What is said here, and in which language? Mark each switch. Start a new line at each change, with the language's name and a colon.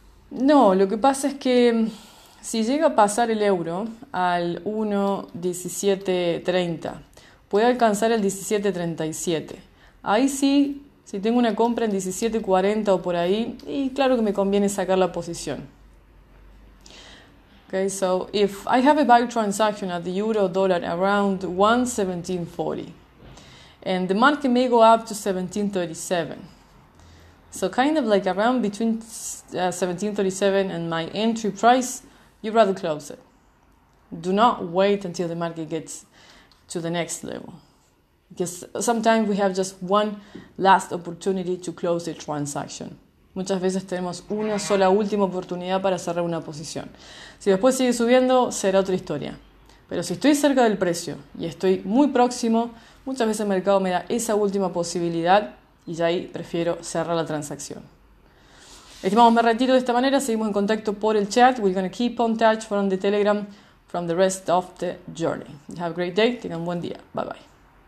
Spanish: No, lo que pasa es que si llega a pasar el euro al 1.1730, puede alcanzar el 1737. Ahí sí, si tengo una compra en 1740 o por ahí, y claro que me conviene sacar la posición.
English: Okay, so if I have a buy transaction at the euro dollar around 1.1740, and the market may go up to 1737. So kind of like around between 1737 and my entry price, you'd rather close it. Do not wait until the market gets to the next level. Because sometimes we have just one last opportunity to close the transaction.
Spanish: Muchas veces tenemos una sola última oportunidad para cerrar una posición. Si después sigue subiendo, será otra historia. Pero si estoy cerca del precio y estoy muy próximo, muchas veces el mercado me da esa última posibilidad y ya ahí prefiero cerrar la transacción. Estimamos, me retiro de esta manera, seguimos en contacto por el chat.
English: We're going to keep on touch from the Telegram from the rest of the journey. Have a great day,
Spanish: tengan un buen día.
English: Bye bye.